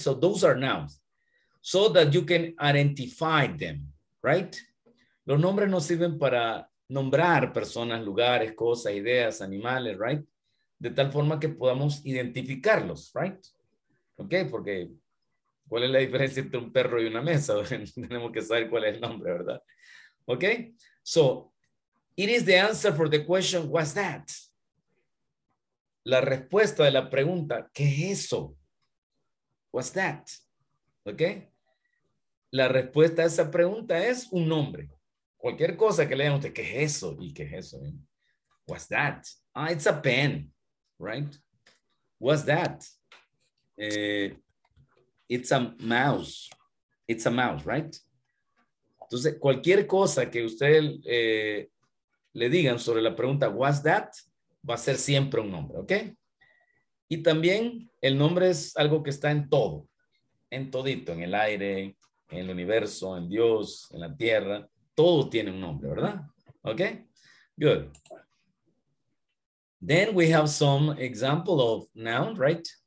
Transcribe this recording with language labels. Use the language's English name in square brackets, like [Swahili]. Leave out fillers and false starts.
[English] So those are nouns, so that you can identify them, right? [Spanish] Los nombres nos sirven para nombrar personas, lugares, cosas, ideas, animales, right? De tal forma que podamos identificarlos, right? Okay, porque ¿cuál es la diferencia entre un perro y una mesa? Tenemos que saber cuál es el nombre, ¿verdad? [English] Okay, so it is the answer for the question, what's that? [Spanish] La respuesta de la pregunta, ¿qué es eso? [English] What's that? [Spanish] Okay, la respuesta a esa pregunta es un nombre. Cualquier cosa que le digan a usted, ¿qué es eso? ¿Y qué es eso? [English] What's that? Ah, it's a pen, right? What's that? It's a mouse. It's a mouse, right? [Spanish] Entonces, cualquier cosa que usted le digan sobre la pregunta, [English] what's that? [Spanish] Va a ser siempre un nombre, ¿ok? Y también, el nombre es algo que está en todo. En todito, en el aire, en el universo, en Dios, en la tierra. Todo tiene un nombre, ¿verdad? [English] Okay, good. Then we have some example of noun, right?